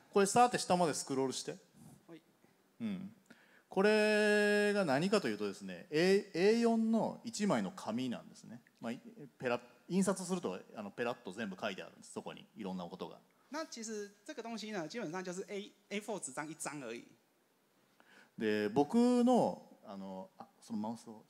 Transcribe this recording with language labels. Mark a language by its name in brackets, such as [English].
[Japanese] これさーって下までスクロールして。はい。うん。これが何かというとですね、A4 の1枚の紙なんですね。まあ、印刷するとあのペラッと全部書いてあるんです。そこにいろんなことが。 [Chinese] 那其实这个东西呢，基本上就是 A4 纸张一张而已。 [Japanese] で、僕のあのあそのマウスを。